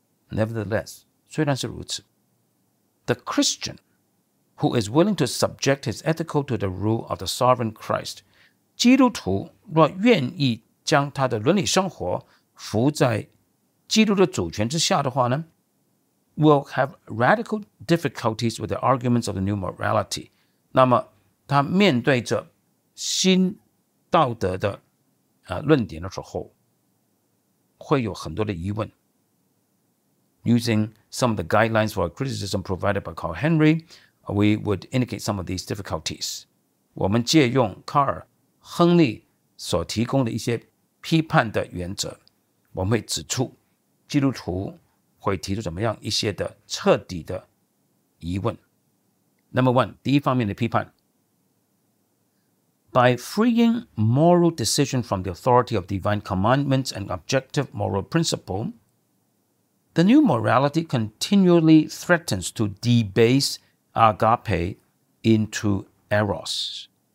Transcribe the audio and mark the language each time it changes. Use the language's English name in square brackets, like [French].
[English] Nevertheless，虽然是如此， The Christian who is willing to subject his ethical to the rule of the sovereign Christ，基督徒若愿意将他的伦理生活服在基督的主权之下的话呢， will have radical difficulties with the arguments of the new morality。 [Chinese] 那么他面对着新道德的论点的时候会有很多的疑问。 [English] Using some of the guidelines for criticism provided by Carl Henry， we would indicate some of these difficulties。我们借用卡尔亨利 [Chinese] 所提供的一些批判的原则，我们会指出基督徒会提出怎么样一些的彻底的疑问。 [English] Number one，第一方面的批判， By freeing moral decision from the authority of divine commandments and objective moral principle, the new morality continually threatens to debase agape into eros。